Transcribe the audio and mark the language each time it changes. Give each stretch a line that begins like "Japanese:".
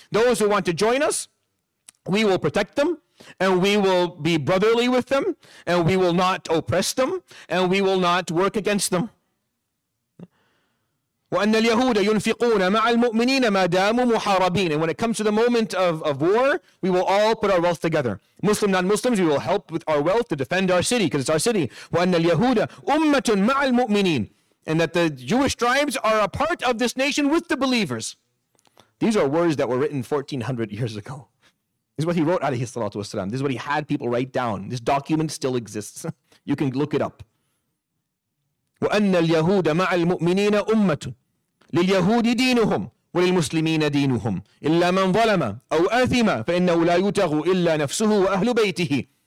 English: Those who want to join us, we will protect them. And we will be brotherly with them, and we will not oppress them, and we will not work against them.
Arabic: وأن اليهود ينفقون مع المؤمنين ما داموا محاربين.
English: And when it comes to the moment of war, we will all put our wealth together. Muslim, non-Muslims, we will help with our wealth to defend our city, because it's our city.
Arabic: وأن اليهود أمة مع المؤمنين.
English: And that the Jewish tribes are a part of this nation with the believers. These are words that were written 1400 years ago. This is what he wrote, alayhi salatu wasalam. This is what he had people write down. This document still exists. You can look it up.
Arabic: وَأَنَّ الْيَهُودَ مَعَ الْمُؤْمِنِينَ أُمَّةٌ لِلْيَهُودِ دِينُهُمْ وَلِلْمُسْلِمِينَ دِينُهُمْ إِلَّا مَنْ ظَلَمَ أَوْ أَثِمَ فَإِنَّهُ لَا يُتَغُ إِلَّا نَفْسُهُ وَأَهْلُ بَيْتِهِ.